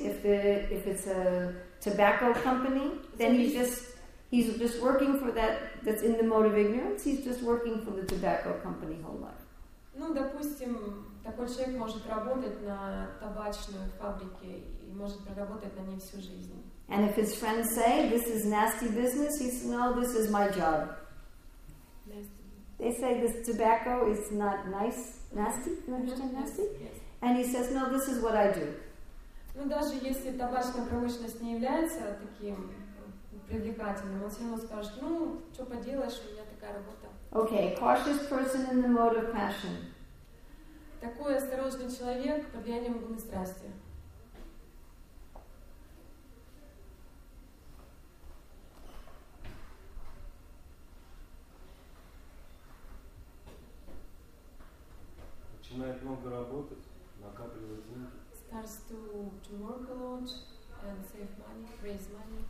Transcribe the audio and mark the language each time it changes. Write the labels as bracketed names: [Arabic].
[English] If it's a tobacco company, then he's just working for that. That's in the mode of ignorance. He's just working for the tobacco company whole life. [Russian] Ну, допустим, такой человек может работать на табачной фабрике и может проработать на ней всю жизнь. [English] And if his friends say this is nasty business, he says, "No, this is my job." Nasty. They say this tobacco is not nice, nasty. You understand nasty? Yes. Yes. And he says, "No, this is what I do." [Russian] Ну, даже если табачная промышленность не является таким привлекательным, он все равно скажет, ну, что поделаешь, у меня такая работа. [English] Okay, cautious person in the mode of passion. [Russian] Такой осторожный человек под влиянием гуны страсти. Начинает много работать, накапливает деньги. [English] Starts to work a lot and save money, raise money.